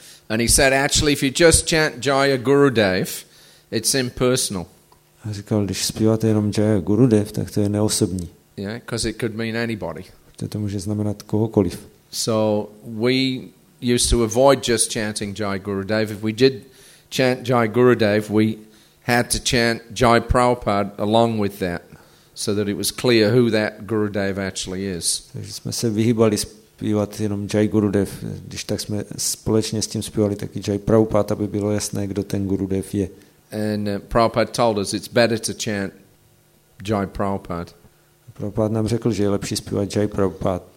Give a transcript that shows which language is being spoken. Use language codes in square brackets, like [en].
[en] And he said, actually, if you just chant Jaya Gurudev, it's impersonal. [cs] A říkal, když zpíváte jenom Jaya Gurudev, tak to je neosobní. [en] Yeah, because it could mean anybody. [cs] To může znamenat kohokoliv. [en] So we used to avoid just chanting Jaya Gurudev. If we did chant Jaya Gurudev, we had to chant Jaya Prabhupada along with that, so that it was clear who that Gurudev actually is. [cs] Takže jsme se vyhýbali zpívat jenom Jai Gurudev, když tak jsme společně s tím zpívali taky Jai Prabhupada, aby bylo jasné, kdo ten Gurudev je. [en] And Prabhupada told us it's better to chant Jai Prabhupada. [cs] Prabhupada nám řekl, že je lepší zpívat Jai Prabhupada.